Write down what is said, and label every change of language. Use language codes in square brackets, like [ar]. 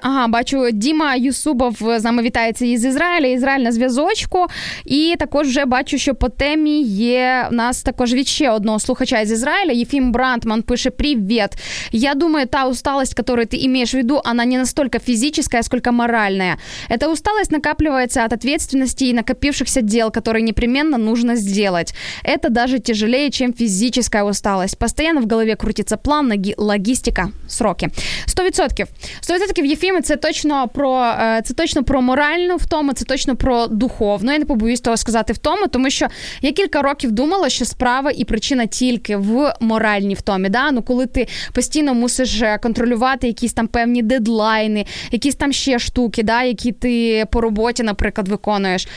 [uk] Ага, бачу, Діма Юсубов з нами вітається із Ізраїля. Ізраїль на зв'язочку. І також вже бачу, що по темі є у нас також від ще одного слухача із Ізраїля. Єфім Брантман пише: «Привіт. [ru] Я думаю, та усталость, которую ти имеешь в виду, она не настолько физическая, сколько моральная. Эта усталость накапливается от ответственности и накопившихся дел, которые непременно нужно сделать. Это даже тяжелее, чем физическая усталость. Постоянно в голове крутится план, логистика, сроки». [uk] 100%. 100%, Єфіме, це точно про моральну втому, це точно про духовну. Я не побоюсь того сказати втому, тому що я кілька років думала, що справа і причина тільки в моральній втомі. Да? Ну, коли ти постійно мусиш контролювати якісь там певні дедлайни, якісь там ще штуки, да, які ти по роботі, наприклад, виконуєш.